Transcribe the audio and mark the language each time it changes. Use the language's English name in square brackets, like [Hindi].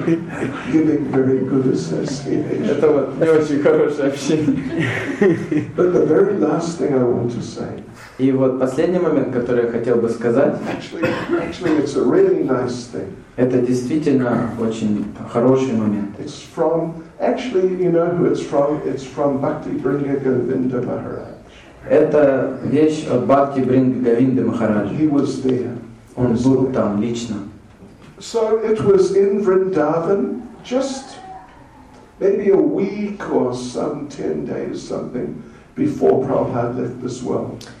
[Russian] Это вот не очень хорошее общение. И вот последний момент, который я хотел бы сказать. [English] Actually, it's a really nice thing. [Russian] Это действительно очень хороший момент. [English] It's from, actually, you know who it's from? It's from Bhakti Vrinda Govinda Maharaj. [Russian] Это вещь от Бхакти Вринды Говинды Махараджи. [English] He was there. [Russian] Он был там лично. [English] So it was in Vrindavan, just maybe a week or some 10 days something before Prabhupada left this world.